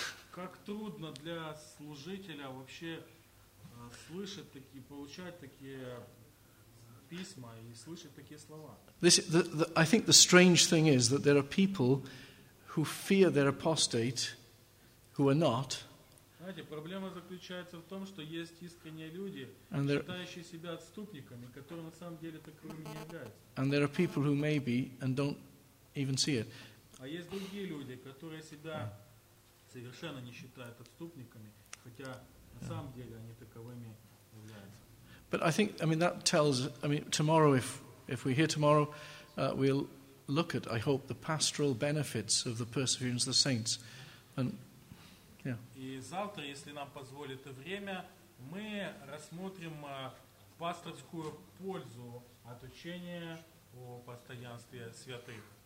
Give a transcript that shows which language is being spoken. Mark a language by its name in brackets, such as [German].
[Russian] Как трудно для служителя вообще слышать такие, получать такие. [English] I think the strange thing is that there are people who fear they're apostate, who are not. [Russian] Знаете, проблема заключается в том, что есть искренние люди, считающие себя отступниками, которые на самом деле такими не являются. And there are people who may be and don't even see it. А есть другие люди, которые себя совершенно не считают отступниками, хотя на самом деле они таковыми являются. [English] But I think, I mean, that tells, I mean, tomorrow, if we're here tomorrow, we'll look at, I hope, the pastoral benefits of the perseverance of the saints. And, yeah. [Russian] И завтра, если нам позволит время, мы рассмотрим пасторскую пользу от учения о постоянстве святых.